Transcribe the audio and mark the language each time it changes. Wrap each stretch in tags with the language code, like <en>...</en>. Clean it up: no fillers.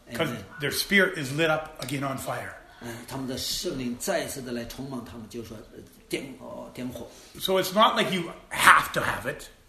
<en>Because their spirit is lit up again on fire.</en> <zh>他们的圣灵再次的来充满他们，就说点火。</zh> <en>So it's not like you have to have it.</en>